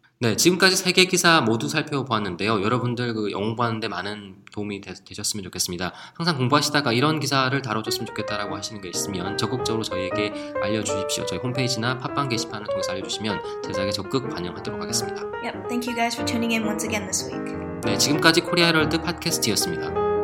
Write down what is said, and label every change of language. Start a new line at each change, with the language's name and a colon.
Korean: 네, 지금까지 세 개 기사 모두 살펴보았는데요. 여러분들 그 공부하는데 많은 도움이 되셨으면 좋겠습니다. 항상 공부하시다가 이런 기사를 다뤄줬으면 좋겠다라고 하시는 게 있으면 적극적으로 저희에게 알려주십시오. 저희 홈페이지나 팟빵 게시판을 통해서 알려주시면 제작에 적극 반영하도록 하겠습니다.
English: Yep, thank you guys for tuning in once again this week.
Korean: 네, 지금까지 코리아 헤럴드 팟캐스트였습니다.